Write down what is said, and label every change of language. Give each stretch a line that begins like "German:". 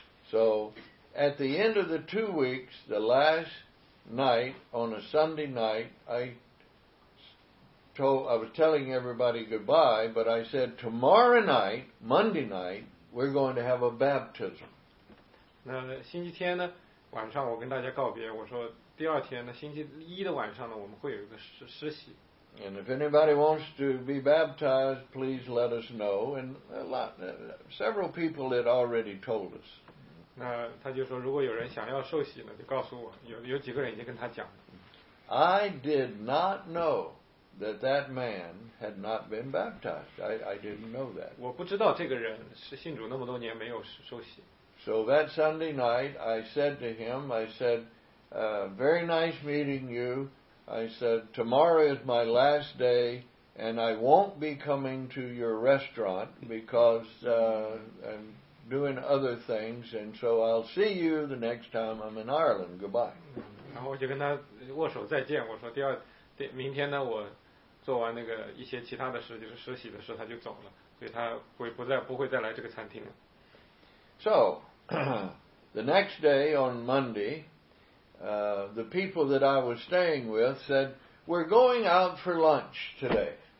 English: So, at the end of the 2 weeks, the last night, on a Sunday night, I was telling everybody goodbye, but I said, tomorrow night, Monday night, we're going to have a baptism.
Chinese: 那星期天呢，晚上我跟大家告别，我说第二天呢，星期一的晚上呢，我们会有一个实习。
English: And if anybody wants to be baptized, please let us know. And several people had already told us.
Chinese: 那他就说，如果有人想要受洗呢，就告诉我。有几个人已经跟他讲了。
English: I did not know that that man had not been baptized. I didn't know that.
Chinese: 我不知道这个人是信主那么多年没有受洗。
English: So that Sunday night, I said to him, I said, very nice meeting you. I said, tomorrow is my last day, and I won't be coming to your restaurant because I'm doing other things, and so I'll see you the next time I'm in Ireland. Goodbye.
Chinese: 然后我就跟他握手再见，我说第二第明天呢，我做完那个一些其他的事，就是实习的事，他就走了，所以他会不会再来这个餐厅了。
English: So, the next day on Monday, the people that I was staying with said, we're going out for lunch today.